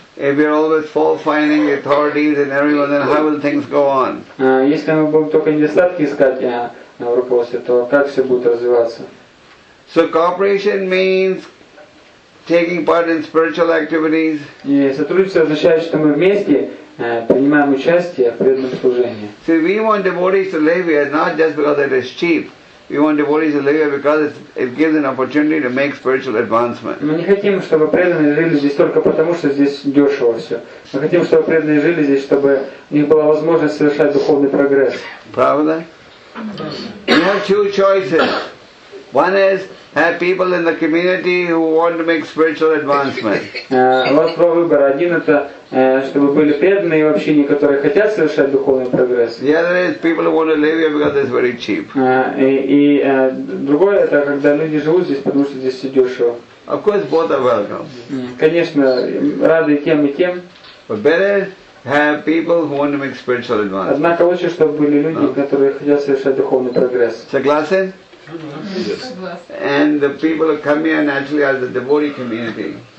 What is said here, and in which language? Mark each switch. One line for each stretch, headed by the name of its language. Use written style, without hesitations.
English: If we are always fault-finding the authorities and everyone, then how will things go on?
Russian: Если мы будем только недостатки искать на руководстве, то как все будет развиваться?
English: So cooperation means taking part in spiritual activities.
Russian: И сотрудничество означает, что мы вместе принимаем участие в преданном служении.
English: See, we want devotees to live here not just because it is cheap. We want devotees to live here because it gives an opportunity to make spiritual advancement.
Russian: Мы не хотим, чтобы преданные жили здесь только потому, что здесь дешево все. Мы хотим, чтобы преданные жили здесь, чтобы у них была возможность совершать духовный прогресс. Правда?
English: We have two choices. One is have people in the community who want to make spiritual advancement.
Russian: Вот два выбора. Один это чтобы были преданные в общине, которые хотят совершать духовный прогресс.
English: The other is people who want to live here because it's very cheap.
Russian: Другое это когда люди живут здесь, потому что здесь все дешево.
English: Of course, both are welcome.
Russian: Конечно, рады тем и тем.
English: But better have people who want to make spiritual advancement.
Russian: Однако лучше, чтобы были люди, которые хотят совершать духовный прогресс. Согласен?
English: Yes. And the people who come here naturally are the devotee community.